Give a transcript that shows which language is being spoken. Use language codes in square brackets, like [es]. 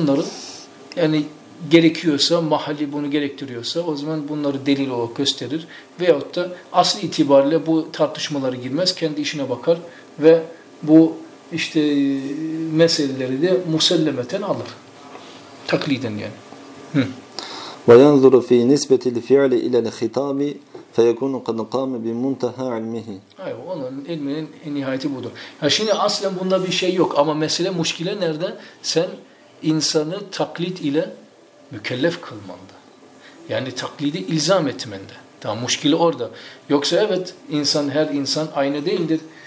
[tr] Bunları yani gerekiyorsa, mahalli bunu gerektiriyorsa o zaman bunları delil olarak gösterir. Veyahut da asli itibariyle bu tartışmalara girmez, kendi işine bakar ve bu işte meseleleri de musellemeten alır. Takliden yani. [ar] وينظر في نسبة الفعل إلى الخطاب فيكون قد قام بمنتهى علمه. [tr] Ayo onun ilminin nihayeti budur. Ha şimdi aslen bunda bir şey yok ama mesele muşkile nerede? Sen insanı taklit ile mükellef kılmanda. Yani taklidi ilzam etmende. Tamam muşkile orada. Yoksa evet insan her insan aynı değildir.